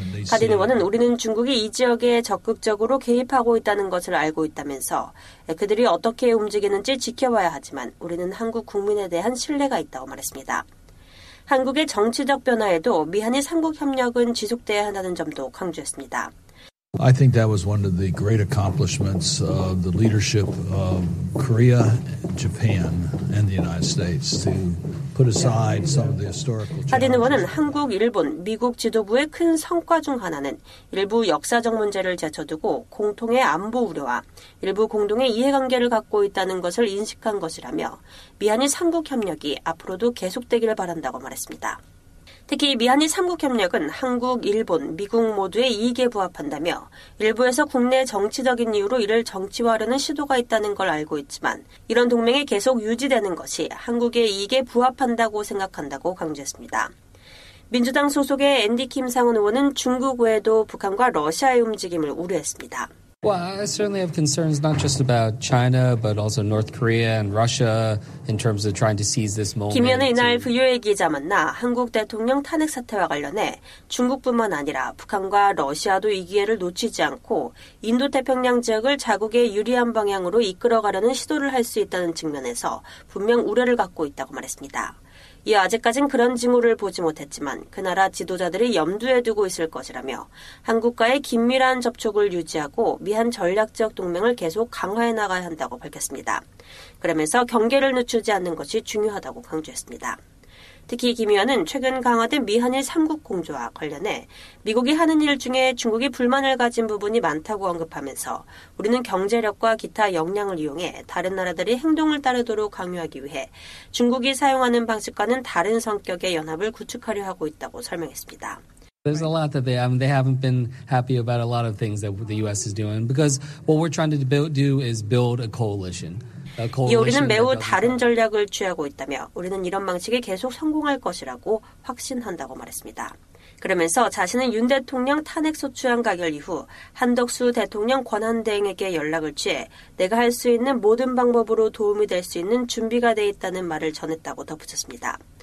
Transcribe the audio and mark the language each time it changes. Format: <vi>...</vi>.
<ko>카딘 의원은 우리는 중국이 이 지역에 적극적으로 개입하고 있다는 것을 알고 있다면서 그들이 어떻게 움직이는지 지켜봐야 하지만 우리는 한국 국민에 대한 신뢰가 있다고 말했습니다. 한국의 정치적 변화에도 미한의 삼국 협력은 지속돼야 한다는 점도 강조했습니다.</ko> <en>I think that was one of the great accomplishments of the leadership of Korea, Japan, and the United States to put aside some of the historical challenges.</en> <ko>카딘 의원은 한국, 일본, 미국 지도부의 큰 성과 중 하나는 일부 역사적 문제를 제쳐두고 공통의 안보 우려와 일부 공동의 이해관계를 갖고 있다는 것을 인식한 것이라며 미한의 삼국 협력이 앞으로도 계속되기를 바란다고 말했습니다. 특히 미한의 삼국협력은 한국, 일본, 미국 모두의 이익에 부합한다며 일부에서 국내 정치적인 이유로 이를 정치화하려는 시도가 있다는 걸 알고 있지만 이런 동맹이 계속 유지되는 것이 한국의 이익에 부합한다고 생각한다고 강조했습니다. 민주당 소속의 앤디 김 상원 의원은 중국 외에도 북한과 러시아의 움직임을 우려했습니다.</ko> <en>Well, I certainly have concerns not just about China, but also North Korea and Russia in terms of trying to seize this moment.</en> <ko>김 의원은 이날 VOA 기자 만나 한국 대통령 탄핵 사태와 관련해 중국뿐만 아니라 북한과 러시아도 이 기회를 놓치지 않고 인도태평양 지역을 자국의 유리한 방향으로 이끌어가려는 시도를 할 수 있다는 측면에서 분명 우려를 갖고 있다고 말했습니다. 이 아직까진 그런 징후를 보지 못했지만 그 나라 지도자들이 염두에 두고 있을 것이라며 한국과의 긴밀한 접촉을 유지하고 미한 전략적 동맹을 계속 강화해 나가야 한다고 밝혔습니다. 그러면서 경계를 늦추지 않는 것이 중요하다고 강조했습니다. 특히 김 의원은 최근 강화된 미한의 3국 공조와 관련해 미국이 하는 일 중에 중국이 불만을 가진 부분이 많다고 언급하면서 우리는 경제력과 기타 역량을 이용해 다른 나라들이 행동을 따르도록 강요하기 위해 중국이 사용하는 방식과는 다른 성격의 연합을 구축하려 하고 있다고 설명했습니다.</ko> <en>There's a lot that they haven't been happy about a lot of things that the U.S. is doing because what we're trying to do is build a coalition.</en> <ko>이 우리는 매우 다른 전략을 취하고 있다며 우리는 이런 방식이 계속 성공할 것이라고 확신한다고 말했습니다. 그러면서 자신은 윤 대통령 탄핵소추안 가결 이후 한덕수 대통령 권한대행에게 연락을 취해 내가 할 수 있는 모든 방법으로 도움이 될 수 있는 준비가 돼 있다는 말을 전했다고 덧붙였습니다.</ko>